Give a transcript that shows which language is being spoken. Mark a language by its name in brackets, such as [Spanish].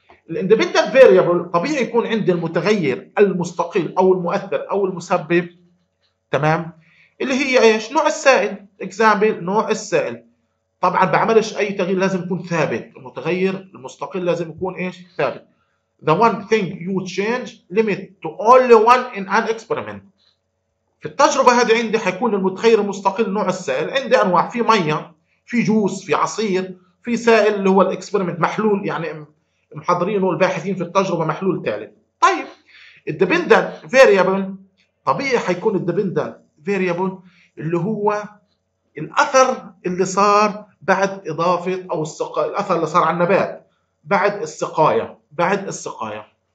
[Arabic] الاندبندنت فيريبل طبيعي يكون عندي المتغير المستقل أو المؤثر أو المسبب تمام، اللي هي إيش؟ نوع السائل. example نوع السائل. طبعا بعملش اي تغيير، لازم يكون ثابت. المتغير المستقل لازم يكون ايش؟ ثابت. [English] The one thing you change limit to only one in an experiment. [Arabic] في التجربة هذه عندي حيكون المتغير المستقل نوع السائل، عندي انواع، في مية، في جوس، في عصير، في سائل اللي هو الاكسبيرمنت محلول، يعني محضرينه الباحثين في التجربة محلول ثالث. طيب الديبندنت فاريبل، طبيعي حيكون الديبندنت فاريبل اللي هو الاثر اللي صار بعد اضافة او الاثر اللي صار على النبات بعد السقاية، بعد السقاية.